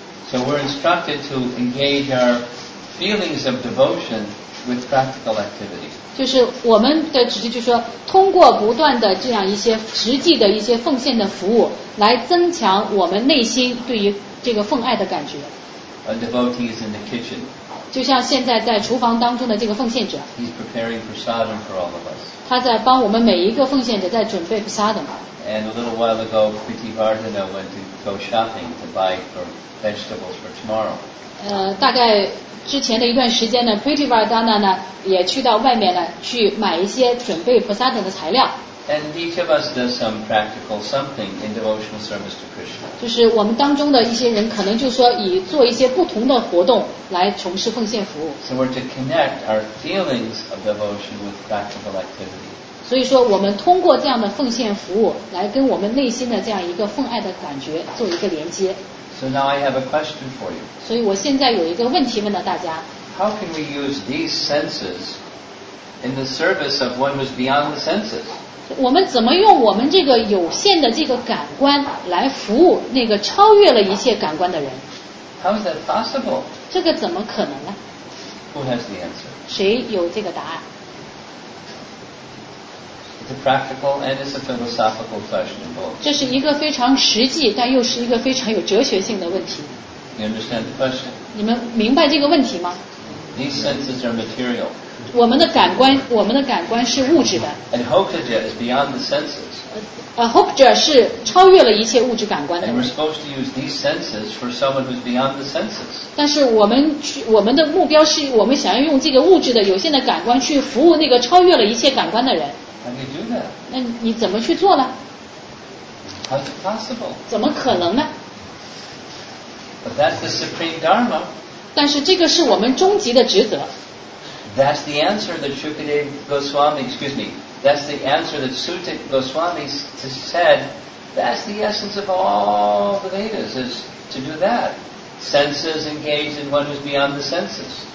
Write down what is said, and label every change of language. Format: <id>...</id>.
<en>So we're instructed to engage our feelings of devotion with practical activity.</en> <zh>就是我们的指示就是说通过不断的这样一些实际的一些奉献的服务来增强我们内心对于这个奉爱的感觉。</zh> <en>A devotee is in the kitchen.</en> <zh>就像现在在厨房当中的这个奉献者。</zh> <en>He's preparing prasadam for all of us.</en> <zh>他在帮我们每一个奉献者在准备prasadam。</zh> <en>And a little while ago, Priti Vardhana went to go shopping to buy for vegetables for tomorrow.</en> <zh>大概之前的一段时间呢 ，Priti Vardhana 呢也去到外面呢去买一些准备prasadam的材料。</zh> <en>And each of us does some practical something in devotional service to Krishna.</en> <zh>就是我们当中的一些人可能就说以做一些不同的活动来从事奉献服务。</zh> <en>So we're to connect our feelings of devotion with practical activity.</en> <zh>所以说我们通过这样的奉献服务来跟我们内心的这样一个奉爱的感觉做一个连接。</zh> <en>So now I have a question for you.</en> <zh>所以我现在有一个问题问到大家。</zh> <en>How can we use these senses in the service of one who's beyond the senses?</en> <zh>我们怎么用我们这个有限的这个感官来服务那个超越了一切感官的人</zh> <en>？How is that possible？</en> <zh>这个怎么可能呢</zh> <en>？Who has the answer？</en> <zh>谁有这个答案</zh> <en>？It's a practical and it's a philosophical question involved.</en> <zh>这是一个非常实际但又是一个非常有哲学性的问题。</zh> <en>You understand the question？</en> <zh>你们明白这个问题吗</zh> <en>？These senses are material.</en> <zh>我们的感官是物质的。</zh> <en>And hokja is beyond the senses.</en> <zh>Hokja 是超越了一切物质感官的。</zh> <en>And we're supposed to use these senses for someone who's beyond the senses.</en> <zh>但是我们的目标是我们想要用这个物质的有限的感官去服务那个超越了一切感官的人。</zh> <en>How do you do that?</en> <zh>那你怎么去做呢？</zh> <en>How's it possible?</en> <zh>怎么可能呢？</zh> <en>But that's the supreme dharma.</en> <zh>但是这个是我们终极的职责。</zh> <en>That's the answer that Shukadeva Goswami, excuse me, that's the answer that Sutta Goswami said, that's the essence of all the Vedas, is to do that. Senses engaged in one who's beyond the senses.</en>